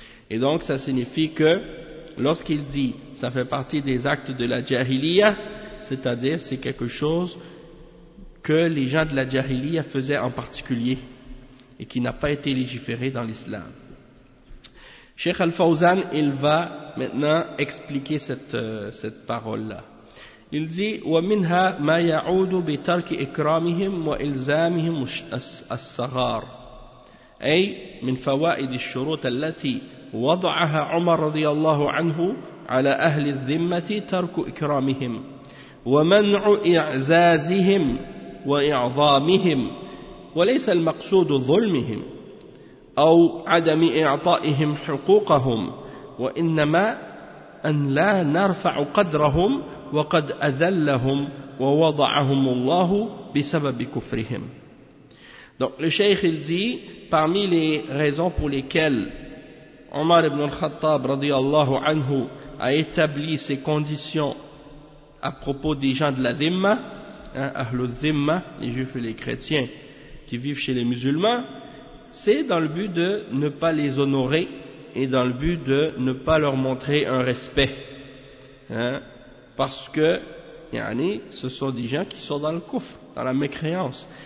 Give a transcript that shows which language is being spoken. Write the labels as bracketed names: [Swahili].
[French] Et donc ça signifie que lorsqu'il dit ça fait partie des actes de la jahiliya, c'est-à-dire c'est quelque chose que les gens de la jahiliya faisaient en particulier et qui n'a pas été légiféré dans l'islam. Cheikh Al-Fawzan, il va maintenant expliquer cette parole-là. Il dit [Arabic] ومنها ما يعود بترك إكرامهم وإلزامهم الصغار أي من فوائد الشروط التي وضعها عمر رضي الله عنه على أهل الذمة ترك إكرامهم ومنع إعزازهم وإعظامهم وليس المقصود ظلمهم أو عدم إعطائهم حقوقهم وإنما أن لا نرفع قدرهم وقد أذلهم ووضعهم الله بسبب كفرهم. [French] Donc le cheikh il dit, parmi les raisons pour lesquelles Omar ibn al-Khattab radiallahu anhu a établi ces conditions à propos des gens de la dhimma, hein, ahlul dhimma, les juifs et les chrétiens qui vivent chez les musulmans, c'est dans le but de ne pas les honorer et dans le but de ne pas leur montrer un respect, hein, parce que yani, ce sont des gens qui sont dans le kufr, dans la mécréance.